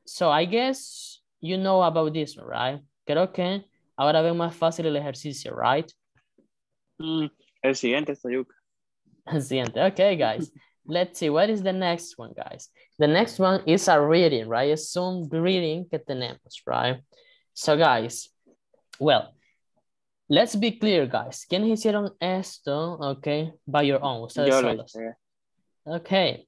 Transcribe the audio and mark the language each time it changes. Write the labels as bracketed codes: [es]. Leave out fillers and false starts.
[en] So I guess you know about this one, right? [es] Creo que ahora ven más fácil el ejercicio, right? El siguiente, Sayuk. El siguiente. Okay, guys. [en] Let's see. What is the next one, guys? The next one is a reading, right? [es] Es un reading que tenemos, [en] right? So, guys. Well, let's be clear, guys. [es] ¿Quiénes hicieron esto, [en] okay, by your own? [es] Ustedes solos. [en] Okay.